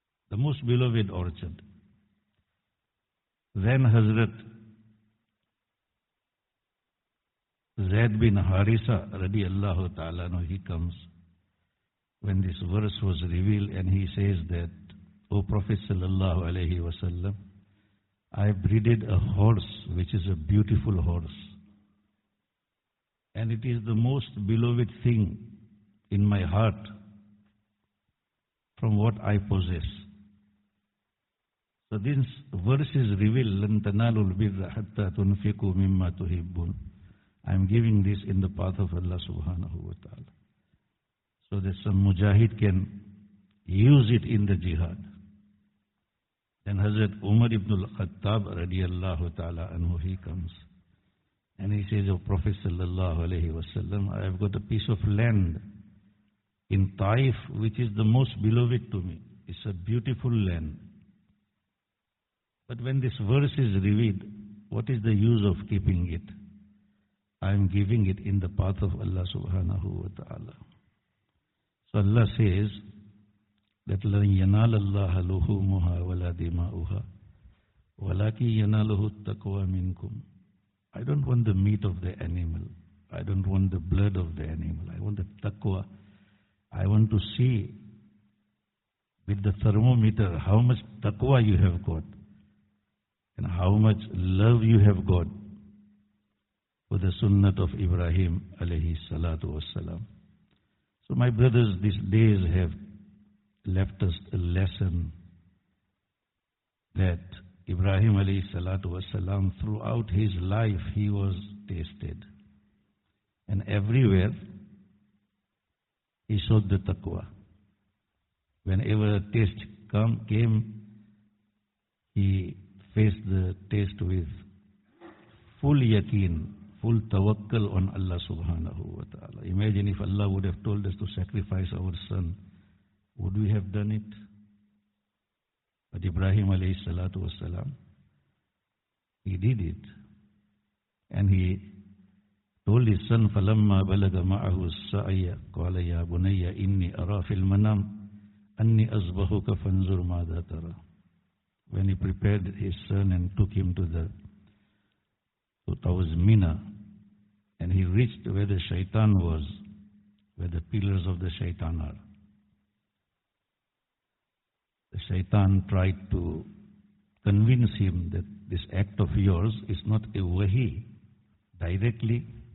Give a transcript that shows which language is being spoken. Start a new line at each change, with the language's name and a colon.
English: The most beloved orchard. Then Hazrat Zaid bin Harisa radiallahu ta'ala, no, he comes when this verse was revealed and he says that, O Prophet sallallahu alayhi wa sallam, I breeded a horse which is a beautiful horse. And it is the most beloved thing in my heart from what I possess. So this verse is revealed,
Arabic: لَنْ تَنَالُوا الْبِرَّ حَتَّى تُنْفِقُوا مِمَّا تُحِبُّونَ.
English: I am giving this in the path of Allah subhanahu wa ta'ala. So that some mujahid can use it in the jihad. Then Hazrat Umar ibn al-Khattab radiallahu ta'ala anhu, he comes and he says, O Prophet sallallahu alayhi wa sallam, I have got a piece of land in Taif which is the most beloved to me. It's a beautiful land. But when this verse is revealed, what is the use of keeping it? I am giving it in the path of Allah subhanahu wa ta'ala. So Allah says, that
Arabic: لَنْ يَنَالَ اللَّهَ لُحُومُهَا وَلَا دِمَاؤُهَا وَلَكِنْ يَنَالُهُ التَّقْوَى مِنْكُمْ.
English: I don't want the meat of the animal. I don't want the blood of the animal. I want the taqwa. I want to see with the thermometer how much taqwa you have got and how much love you have got for the sunnat of Ibrahim alayhi salatu wassalam. So my brothers, these days have left us a lesson that Ibrahim alayhi salatu wassalam, throughout his life he was tasted. And everywhere he showed the taqwa. Whenever a taste came, he faced the taste with full yaqeen, full tawakkal on Allah subhanahu wa ta'ala. Imagine if Allah would have told us to sacrifice our son. Would we have done it? But Ibrahim alayhi salatu wassalam, he did it. And he told his son,
Arabic: فَلَمَّا بَلَغَ مَعَهُ السَّعِيَّ قَالَ يَا بُنَيَّ إِنِّي أَرَى فِي الْمَنَامِ أَنِّي أَصْبَحُكَ فَانْزُرْ مَاذَا تَرَى.
English: When he prepared his son and took him to Mina, and he reached where the shaitan was, where the pillars of the shaitan are. The shaitan tried to convince him that this act of yours is not a wahi directly